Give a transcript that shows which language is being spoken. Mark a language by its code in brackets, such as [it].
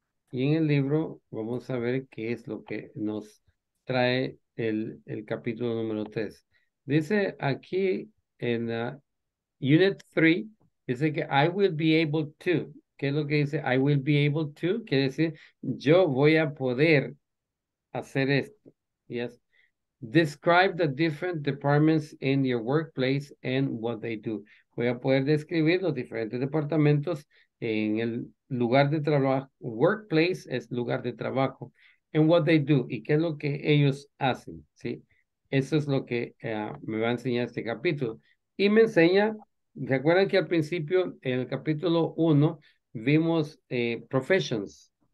[es] Y en el libro vamos a ver qué es lo que nos trae el capítulo número 3. Dice aquí en Unit 3, dice que [en] I will be able to. [es] ¿Qué es lo que dice? [en] I will be able to. [es] Quiere decir, yo voy a poder hacer esto. [en] Yes. Describe the different departments in your workplace and what they do. [es] Voy a poder describir los diferentes departamentos en el lugar de trabajo. Workplace es lugar de trabajo. [en] And what they do. [es] ¿Y qué es lo que ellos hacen? ¿Sí? Eso es lo que me va a enseñar este capítulo. Y me enseña, ¿se acuerdan que al principio, en el capítulo 1, vimos professions?